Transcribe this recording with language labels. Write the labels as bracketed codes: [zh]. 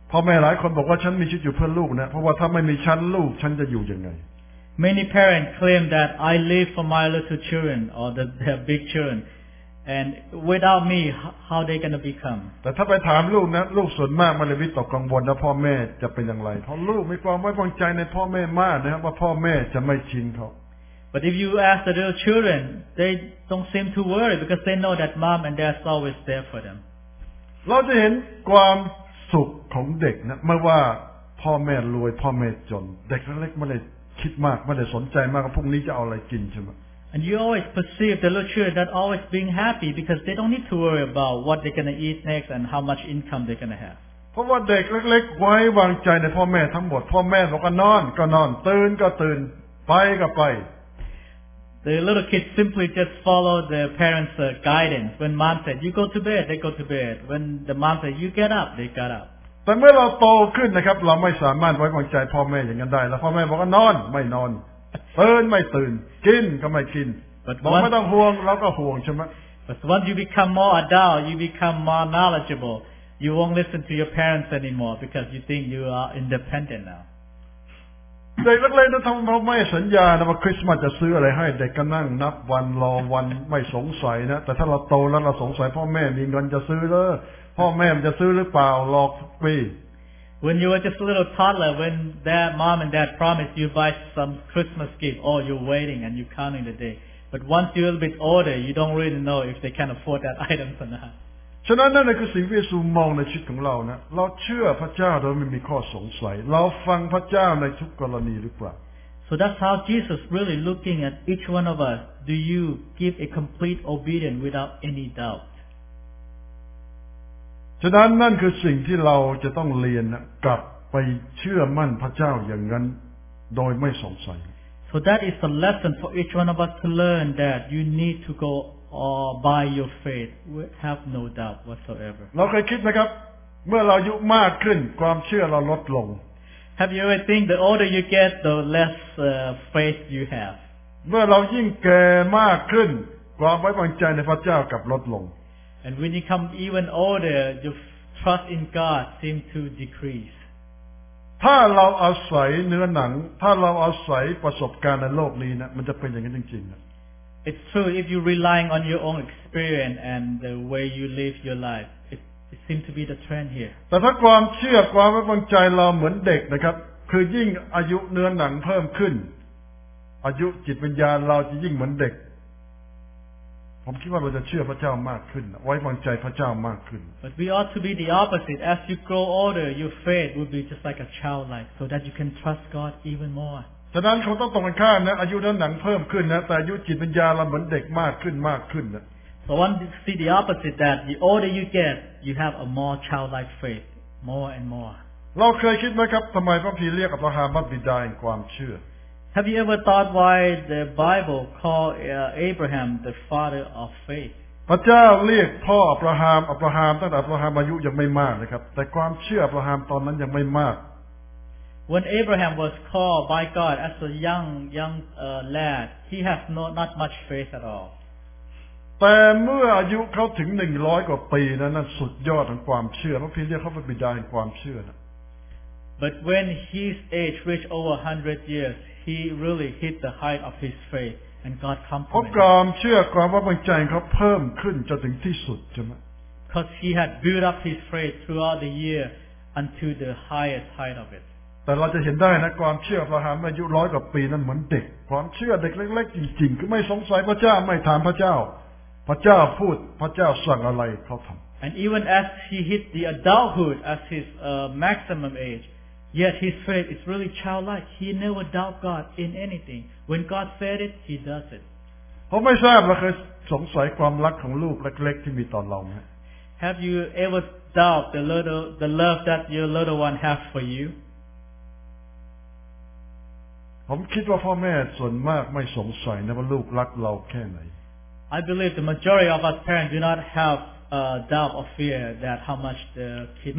[th] พ่อแม่หลายคนบอกว่าฉันมีชีวิตอยู่เพื่อลูกนะเพราะว่าถ้าไม่มีฉันลูกฉันจะอยู่ยังไง [en] Many parents claim that I live for my little children or their big children and without me how they gonna become? [th] แต่ถ้าไปถามลูกนะลูกส่วนมากมันเลยวิตกกังวลนะพ่อแม่จะเป็นอย่างไรเพราะลูกมีความไว้วางใจในพ่อแม่มากนะครับว่าพ่อแม่จะไม่ทิ้งเขา [en] But if you ask the little children, they don't seem to worry because they know that mom and dad's always there for them. [th] เราจะเห็นความสุขของเด็กนะไม่ว่าพ่อแม่รวยพ่อแม่จนเด็กเล็กๆไม่ได้คิดมากไม่ได้สนใจมากว่าพรุ่งนี้จะเอาอะไรกินใช่ไหม [en] And you always perceive the little children that always being happy because they don't need to worry about what they're gonna eat next and how much income they're gonna have. [th] เพราะว่าเด็กเล็กๆไว้วางใจในพ่อแม่ทั้งหมดพ่อแม่บอกก็นอนก็นอนตื่นก็ตื่นไปก็ไป [en] The little kids simply just follow their parents' guidance. When mom said, you go to bed, they go to bed. When the mom said, you get up, they get up. [th] แต่เมื่อเราโตขึ้นนะครับเราไม่สามารถไว้วางใจพ่อแม่อย่างนั้นได้แล้วพ่อแม่บอกว่านอนไม่นอนตื่นไม่ตื่นกินก็ไม่กินบอกไม่ต้องห่วงเราก็ห่วงใช่ไหม [en] But once you become more adult, you become more knowledgeable, You won't listen to your parents anymore because you think you are independent now. [th] เด็กเล็กๆนั้นทำไม่สัญญานะว่าคริสต์มาสจะซื้ออะไรให้เด็กก็นั่งนับวันรอวันไม่สงสัยนะแต่ถ้าเราโตแล้วเราสงสัยพ่อแม่มีเงินจะซื้อหรือพ่อแม่จะซื้อหรือเปล่ารอปี [en] When you were just a little toddler, when their mom and dad promised you buy some Christmas gift, oh, you're waiting and you're counting the day. But once you're a little bit older, you don't really know if they can afford that item or not. [th] ฉะนั้นนั่นคือสิ่งที่พระเยซูมองในชีวิตของเรานะเราเชื่อพระเจ้าโดยไม่มีข้อสงสัยเราฟังพระเจ้าในทุกกรณีหรือเปล่า [en] So that's how Jesus really looking at each one of us. Do you give a complete obedience without any doubt? [th] ฉะนั้นนั่นคือสิ่งที่เราจะต้องเรียนกลับไปเชื่อมั่นพระเจ้าอย่างนั้นโดยไม่สงสัย [en] So that is the lesson for each one of us to learn that you need to goOr by your faith, we have no doubt whatsoever. [th] เราเคยคิดนะครับเมื่อเราอายุมากขึ้นความเชื่อเราลดลง [en] Have you ever think the older you get, the less faith you have? [th] เมื่อเรายิ่งแก่มากขึ้นความไว้วางใจในพระเจ้ากลับลดลง [en] And when you come even older, your trust in God seems to decrease. [th] ถ้าเราอาศัยเนื้อหนังถ้าเราอาศัยประสบการณ์ในโลกนี้นะมันจะเป็นอย่างนั้นจริงๆ [en] It's true, if you're relying on your own experience and the way you live your life, it seems to be the trend here. [th] แต่ถ้าความเชื่อความไว้วางใจเราเหมือนเด็กนะครับคือยิ่งอายุเนื้อหนังเพิ่มขึ้นอายุจิตวิญญาณเราจะยิ่งเหมือนเด็กผมคิดว่าเราจะเชื่อพระเจ้ามากขึ้นไว้วางใจพระเจ้ามากขึ้น [en] But we ought to be the opposite. As you grow older, your faith will be just like a childlike, so that you can trust God even more. [th] ฉะนั้นเขาต้องตรงกันข้ามนะอายุนั้นหนังเพิ่มขึ้นนะแต่อายุจิตวิญญาณเราเหมือนเด็กมากขึ้นมากขึ้นนะ [en] So one see the opposite that the older you get you have a more childlike faith more and more [th] เราเคยคิดไหมครับทำไมพระคัมภีร์เรียกอับราฮัมว่าบิดาแห่งความเชื่อ [en] Have you ever thought why the Bible call Abraham the father of faith [th] พระเจ้าเรียกพ่ออับราฮัมอับราฮัมตั้งแต่อับราฮัมอายุยังไม่มากนะครับแต่ความเชื่ออับราฮัมตอนนั้นยังไม่มาก [en] When Abraham was called by God as a young lad, he has not much faith at all. But when he was 100 years old, that's the peak of his faith. They call him the father of faith. But when his age reached over 100 years, he really hit the height of his faith, and God complimented him. Because he had built up his faith throughout the year unto the highest height of it. [th] แต่เราจะเห็นได้นะความเชื่ออับราฮัมอายุร้อยกว่าปีนั้นเหมือนเด็กความเชื่อเด็กเล็กๆจริงๆก็ไม่สงสัยพระเจ้าไม่ถามพระเจ้าพระเจ้าพูดพระเจ้าสั่งอะไรเขาทำ [en] And even as he hit the adulthood as his maximum age, yet his faith is really childlike. He never doubt God in anything. When God said it, he does it. [th] ผมไม่ทราบเราเคยสงสัยความรักของลูกเล็กๆที่มีต่อเราไหม [en] Have you ever doubt the love that your little one has for you? [th] ผมคิดว่าพ่อแม่ส่วนมากไม่สงสัยนะว่าลูกรักเราแค่ไหน [en] I believe the majority of us parents do not have a doubt or fear that how much the kid